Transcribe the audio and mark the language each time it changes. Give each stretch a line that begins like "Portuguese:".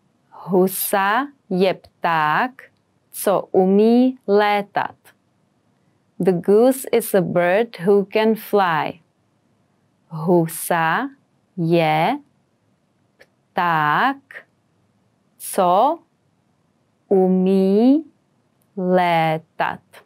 Czech: Husa je pták, co umí létat.
English: The goose is a bird who can fly.
Czech: Husa je pták, co umí létat.